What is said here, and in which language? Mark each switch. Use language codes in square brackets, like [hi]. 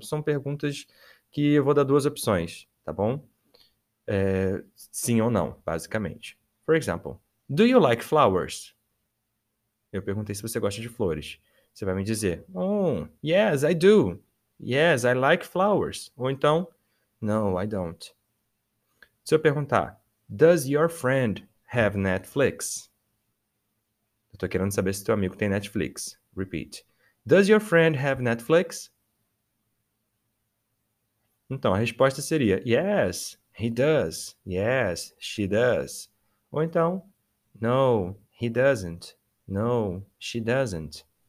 [pt] São perguntas que eu vou dar duas opções, tá bom? Sim ou não, basicamente. [en] For example, do you like flowers? [pt] Eu perguntei se você gosta de flores. Você vai me dizer, [en] oh, yes, I do. Yes, I like flowers. [pt] Ou então, [en] no, I don't. [pt] Se eu perguntar, [en] does your friend have Netflix? [pt] Eu tô querendo saber se teu amigo tem Netflix. [en] Repeat. Does your friend have Netflix? [pt] Então, a resposta seria, [en] yes. He does. Yes, she does. [pt] Ou então, [en] no, he doesn't. No, she doesn't.